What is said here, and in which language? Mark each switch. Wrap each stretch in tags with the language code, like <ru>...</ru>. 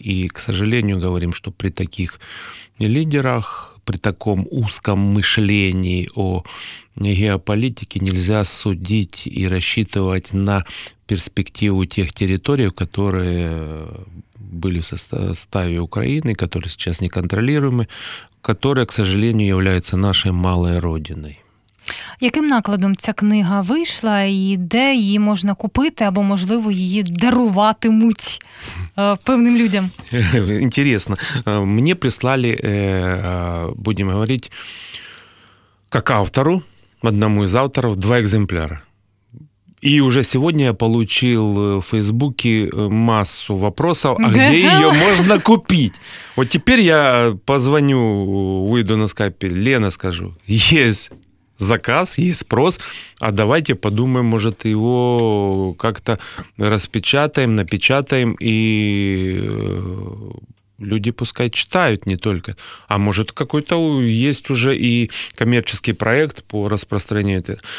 <ru>И, к сожалению, говорим, что при таких лидерах, при таком узком мышлении о геополитике нельзя судить и рассчитывать на перспективу тех территорий, которые были в составе Украины, которые сейчас неконтролируемы, которые, к сожалению, являются нашей малой родиной.</ru> <uk>Яким накладом ця книга вийшла і де її можна купити або, можливо, її даруватимуть певним людям? Інтересно. Мені прислали, будемо говорити, як автору, одному із авторів, два екземпляри.</uk> <ru>И уже сегодня я получил в Фейсбуке массу вопросов, а где ее можно купить? Вот теперь я позвоню, выйду на скайпе, Лена, скажу, есть заказ, есть спрос, а давайте подумаем, может, его как-то распечатаем, напечатаем, и люди пускай читают не только, а может, какой-то есть уже и коммерческий проект по распространению этого.</ru>